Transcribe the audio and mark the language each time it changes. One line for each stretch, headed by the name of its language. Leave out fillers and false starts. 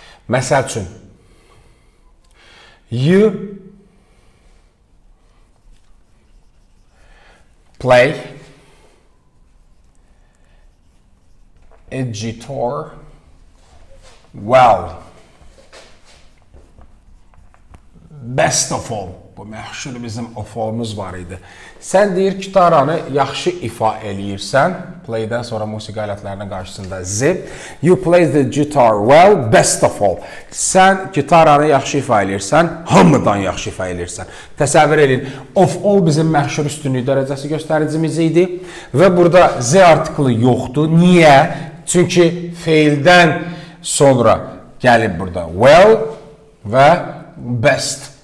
Azerbaijani: Məsəl üçün,
English: you play a guitar well. Best of all.
Azerbaijani: Bu məhşul bizim of all-ımız var idi. Sən deyir, gitaranı yaxşı ifa eləyirsən. Play-dən sonra musiqi alətlərinin qarşısında Z.
English: You play the guitar well, best of all.
Azerbaijani: Sən gitaranı yaxşı ifa eləyirsən, hamıdan yaxşı ifa eləyirsən. Təsəvvür edin, of all bizim məhşul üstünlüyü dərəcəsi göstəricimiz idi. Və burada Z artıqlı yoxdur. Niyə? Çünki feildən sonra gəlib burada well və best.